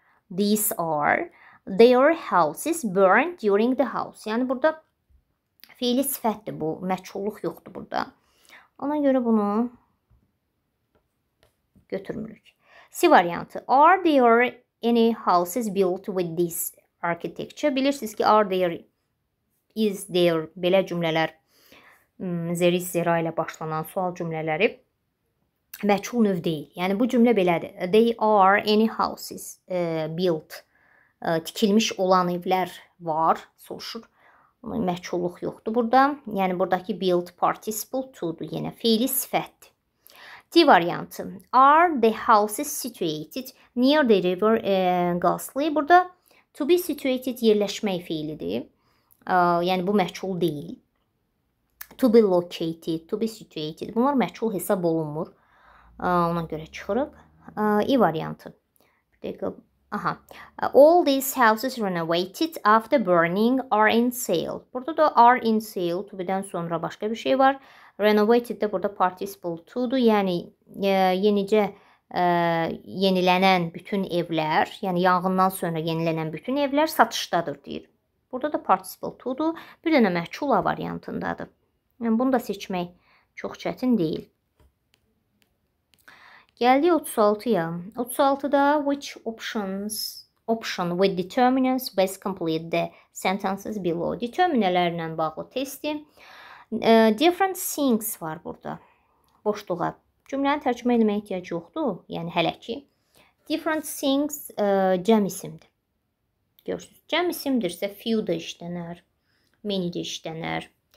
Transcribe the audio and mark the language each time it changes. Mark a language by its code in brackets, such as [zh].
[en] These are their houses burned during the house. [az] Yəni, burada fiili sifətdir bu. Məçhulluq yoxdur burada. Ona görə bunu götürmürük. C variantı. [en] Are there any houses built with this architecture? [az] Bilirsiniz ki, are there, is there, belə cümlələr zeri zera ilə başlanan sual cümlələri. Məçhul növ deyil. Yəni, bu cümlə belədir. [en] They are any houses built. [az] Tikilmiş olan evlər var, soruşur. Məçulluq yoxdur burada. Yəni, buradakı build participle to-dur. Yenə feili sifətdir. D variantı. [en] Are the houses situated near the river Galsley? [az] Burada to be situated yerləşmək feilidir. Yəni, bu məçul deyil. To be located, to be situated. Bunlar məçul hesab olunmur. Ona görə çıxırıq. E variantı. Aha. [en] All these houses renovated after burning are in sale. [az] Burada da are in sale. To be-dən sonra başqa bir şey var. Renovated də burada participle to-dur. Yəni, yenicə yenilənən bütün evlər, yəni yanğından sonra yenilənən bütün evlər satışdadır, deyir. Burada da participle to-dur. Bir dənə məhçul A variantındadır. Yəni, bunu da seçmək çox çətin deyil. Gəldi 36-ya. [en] 36-da which options option with determinants best complete the sentences below. [az] Determinələrlə bağlı testi. Different things var burada. Boşluğa. Cümləni tərcümə etməyə ehtiyac yoxdur. Yəni, hələ ki. Different things cəm isimdir. Görürsünüz. Cəm isimdirsə, few da işlənər. Many da işlənər.